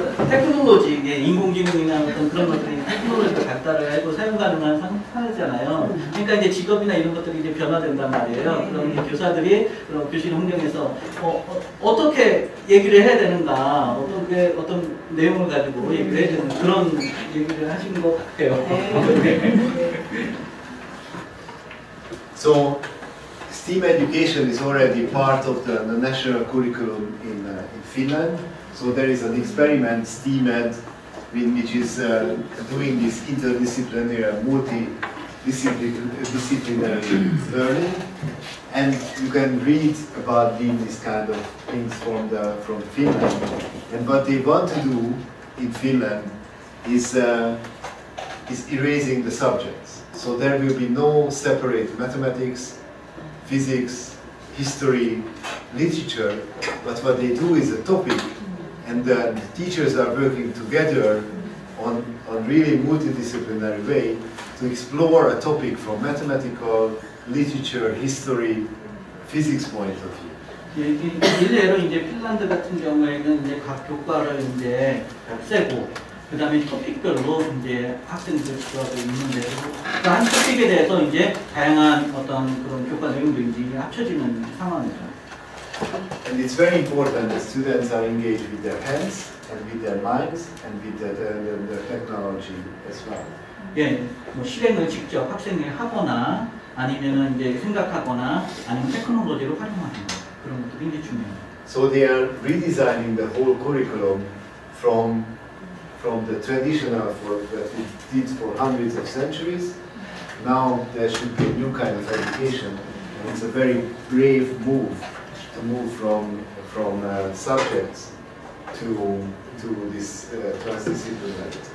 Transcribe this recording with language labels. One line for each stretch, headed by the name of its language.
Korean: 테크놀로지, 이게 인공지능이나 어떤 그런 것들이 테크놀로지를 갖다를 해고 사용 가능한 상태잖아요. 그러니까 이제 직업이나 이런 것들이 이제 변화된단 말이에요. 그럼 이제 교사들이 그런 교실 환경에서 어떻게 얘기를 해야 되는가, 어떤 내용을 가지고 얘기를 해야 되는 그런 얘기를 하신 것 같아요.
English: So, STEAM education is already part of the national curriculum in Finland. So there is an experiment, STEAMED, which is doing this interdisciplinary, multidisciplinary learning. And you can read about doing these kind of things from Finland. And what they want to do in Finland is erasing the subjects. So there will be no separate mathematics, physics, history, literature, but what they do is a topic. And then the teachers are working together on really multidisciplinary way to explore a topic from mathematical, literature, history, physics point of view.
Korean: 예를 이제 핀란드 같은 경우에는 이제 각 교과를 이제 없애고 그다음에 토픽별로 이제 학생들 수업이 있는데 한 토픽에 대해서 이제 다양한 어떤 그런 교과 내용들이 합쳐지는 상황이죠.
English: And it's very important that students are engaged with their hands and with their minds and with the technology as well.
Korean: 예, 뭐 실행을 직접 학생이 하거나 아니면은 이제 생각하거나 아니면 테크놀로지를 활용하는 거, 그런 것도 굉장히 중요해요.
English: So they are redesigning the whole curriculum from the traditional work that we did for hundreds of centuries. Now there should be a new kind of education. And it's a very brave move. To move from subjects to this transdisciplinary.